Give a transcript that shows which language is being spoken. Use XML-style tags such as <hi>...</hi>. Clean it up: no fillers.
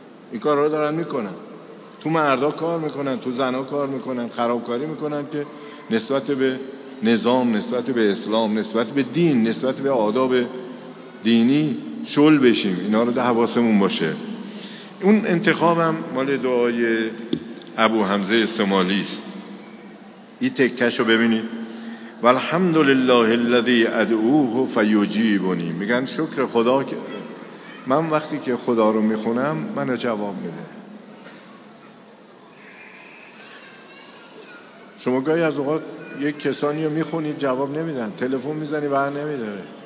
<fa>این کارا رو دارن میکنن، تو مردا کار میکنن، تو زنا کار میکنن، خرابکاری میکنن که نسبت به نظام، نسبت به اسلام، نسبت به دین، نسبت به آداب دینی شل بشیم. اینا رو ده حواسمون باشه. اون انتخابم مال دعای ابو حمزه سمالی است. این تکشو ببینید.</fa> <ar>والحمد لله الذي ادعوه فيجيبني.</ar> <fa>میگن شکر خدا که من وقتی که خدا رو میخونم منو جواب میده. شما گاهی از اوقات یک کسانی رو میخونید جواب نمیدن، تلفن میزنی بر نمیداره.</fa>